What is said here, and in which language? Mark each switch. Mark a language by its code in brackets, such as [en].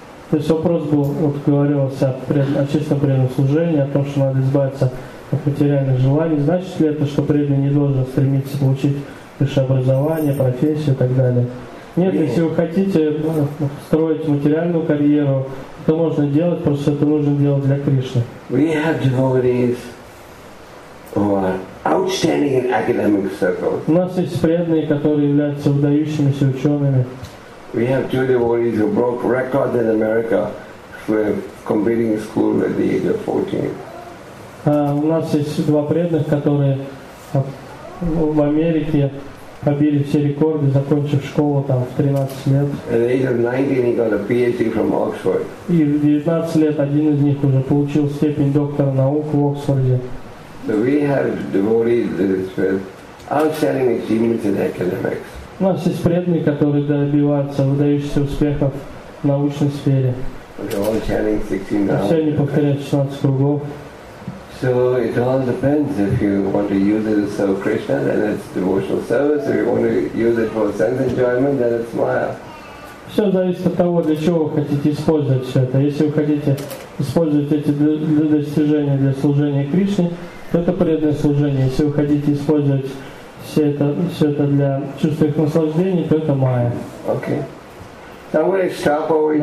[ru] То есть вопрос был, вот говорилось о чистом преданном служении, о том, что надо избавиться от материальных желаний. Значит ли это, что преданный не должен стремиться получить высшее образование, профессию и так далее? Нет, если вы хотите строить материальную карьеру, то можно делать, просто это нужно делать для Кришны. [en] We have devotees who are outstanding in academic circles. [ru] У нас есть преданные, которые являются выдающимися учеными. [en] We have two devotees who broke records in America for completing school at the age of 14. [ru] У нас есть два преданных, которые в Америке побили все рекорды, закончив школу там в 13 лет. [en] At the age of 19, he got a PhD from Oxford. [ru] И в 19 лет один из них уже получил степень доктора наук в Оксфорде. [en] So we have devotees with outstanding achievements in academics. [ru] У нас есть преданные, которые добиваются выдающихся успехов в научной сфере. [en] Okay, [ru] все они повторяют 16 кругов. [en] So it all depends if you want to use it to serve Krishna, then it's devotional service. If you want to use it for sense enjoyment, then it's maya. [ru] Все зависит от того, для чего вы хотите использовать все это. Если вы хотите использовать эти для достижения для служения Кришне, то это преданное служение. Если вы хотите использовать все это для чувства их наслаждений, то это майя. [en] Okay. So I'm going to stop over here.